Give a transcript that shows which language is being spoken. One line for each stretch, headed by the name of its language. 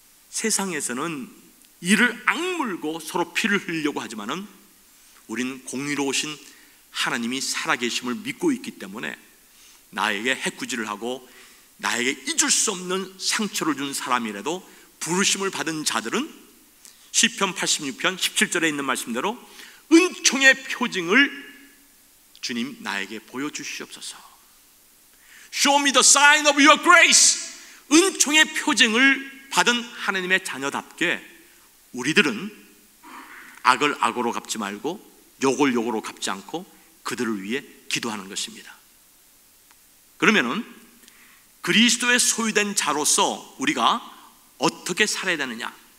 Korean: 세상에서는 이를 악물고 서로 피를 흘리려고 하지만은 우리는 공의로우신 하나님이 살아계심을 믿고 있기 때문에 나에게 해꾸지를 하고 나에게 잊을 수 없는 상처를 준 사람이라도 부르심을 받은 자들은 시편 86편 17절에 있는 말씀대로 은총의 표징을 주님 나에게 보여주시옵소서.
English: Show me the sign of your grace.
Korean: 은총의 표징을 받은 하나님의 자녀답게 우리들은 악을 악으로 갚지 말고 욕을 욕으로 갚지 않고 그들을 위해 기도하는 것입니다. 그러면은 그리스도의 소유된 자로서 우리가 어떻게 살아야 되느냐?